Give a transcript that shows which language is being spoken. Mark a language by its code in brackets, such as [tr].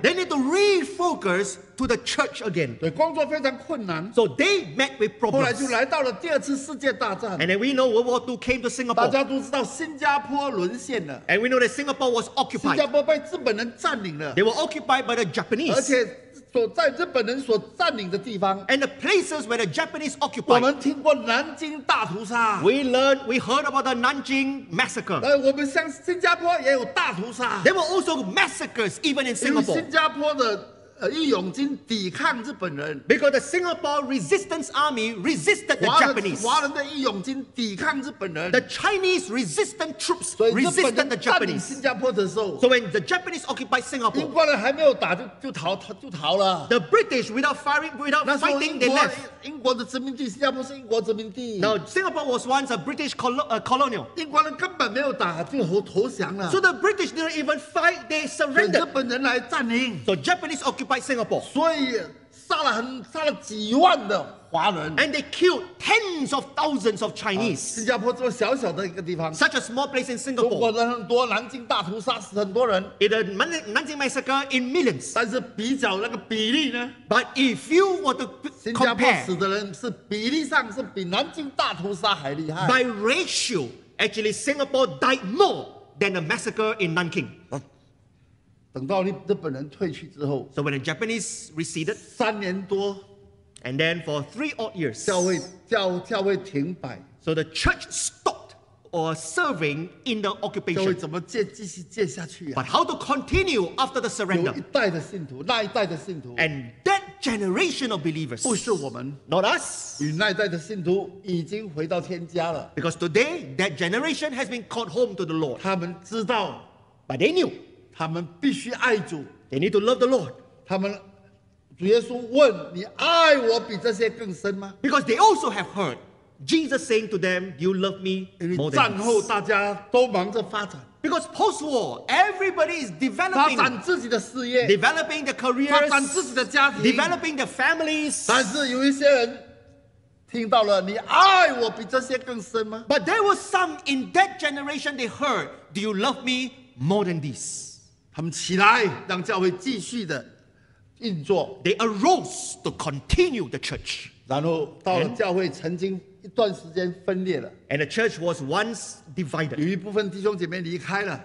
[en] They need to refocus to the church again. [zh] 对，工作非常困难。 [en] So they met with problems. [zh] 后来就来到了第二次世界大战。 [en] And then we know World War II came to Singapore. [zh] 大家都知道新加坡沦陷了。 [en] And we know that Singapore was occupied. [zh] 新加坡被日本人占领了。 [en] They were occupied by the Japanese. [zh] 而且所在日本人所占领的地方 [en] ，and the places where the Japanese occupied。 [zh] 我们听过南京大屠杀 [en] ，we heard about the 南京 massacre。 [zh] 我们像新加坡也有大屠杀 [en] ，there were also massacres even in Singapore。 [zh] 新加坡的义勇军抵抗日本人 [en] ，because the Singapore Resistance Army resisted the Japanese。 [zh] 华人的义勇军抵抗日本人 [en] ，the Chinese Resistance Troops resisted the Japanese。 [zh] 新加坡的时候 [en] ，so when the Japanese occupied Singapore， [zh] 英国人还没有打就逃了。 [en] The British without fighting they left。 [zh] 英国的殖民地，新加坡是英国殖民地。 [en] Now Singapore was once a British colonial。 [zh] 英国人根本没有打就投降了。 [en] So the British didn't even fight; they surrendered。 [zh] 日本人来占领。 [en] So Japanese occupied Singapore。 [zh] 所以杀了几万的华人。 [en] And they killed tens of thousands of Chinese. [zh] 新加坡这么小小的一个地方, [en] such a small place in Singapore. [zh] 中国人很多，南京大屠杀死很多人。 [en] 南京 massacre in millions. [zh] 但是比较那个比例呢? [en] But if you were to compare, [zh] 新加坡死的人是比例上是比南京大屠杀还厉害。 [en] By ratio, actually Singapore died more than the massacre in Nanking. [zh] 等到日本人退去之后, [en] so when the Japanese receded, [zh] 三年多, [en] and then for 3 odd years, [zh] 教会停摆, [en] so the church stopped or serving in the occupation. [zh] 教会怎么继续接下去啊? [en] But how to continue after the surrender? [zh] 有一代的信徒, 那一代的信徒, [en] and that generation of believers, [zh] 不是我们, [en] not us, [zh] 与那一代的信徒已经回到天家了, [en] because today that generation has been called home to the Lord. [zh] 他们知道, [en] but they knew. [zh] 他们必须爱主, [en] they need to love the Lord. [zh] 他们, 主耶稣问, 你爱我比这些更深吗? [en] Because they also have heard Jesus saying to them, do you love me more than this? Because post-war, everybody is developing, [zh] 发展自己的事业, [en] developing their careers, [zh] 发展自己的家庭, [en] developing their families. [zh] 但是有一些人, 听到了, 你爱我比这些更深吗? [en] But there were some in that generation, they heard, do you love me more than this? [zh] 他们起来让教会继续的运作。 [en] They arose to continue the church. [zh] 然后到了教会曾经一段时间分裂了。 [en] And the church was once divided. [zh] 有一部分弟兄姐妹离开了。